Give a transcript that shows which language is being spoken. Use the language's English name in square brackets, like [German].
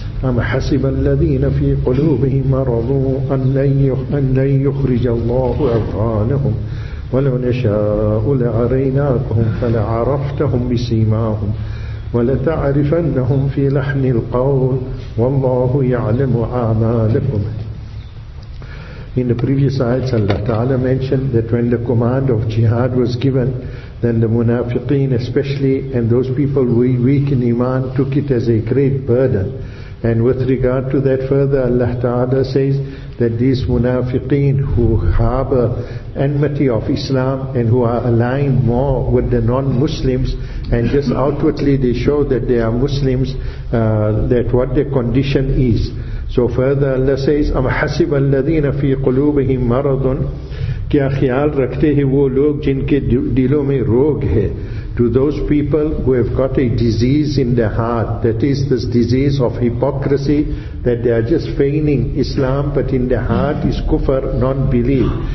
[Arabic] أم حسب الذين في قلوبهم مرض أن يخرج الله أضغانهم ولو نشاء لعريناكهم فلعرفتهم بسيماهم ولتعرفنهم في لحن القول والله يعلم أعمالكم. [English] In the previous ayats, Allah Ta'ala mentioned that when the command of jihad was given, then the munafiqeen especially and those people weak in iman took it as a great burden. And with regard to that further, Allah Ta'ala says that these munafiqeen who harbor enmity of Islam and who are aligned more with the non-Muslims, and just outwardly they show that they are Muslims, that what their condition is. So further Allah says, [Arabic] أَمْ حَسِبَ الَّذِينَ فِي قُلُوبِهِمْ مَرَضٌ. [Urdu] Kya khyaal rakhte hai wo log jinke dilo mein rog hai. [English] To those people who have got a disease in their heart, that is this disease of hypocrisy, that they are just feigning Islam, but in their heart is kufr, non-belief.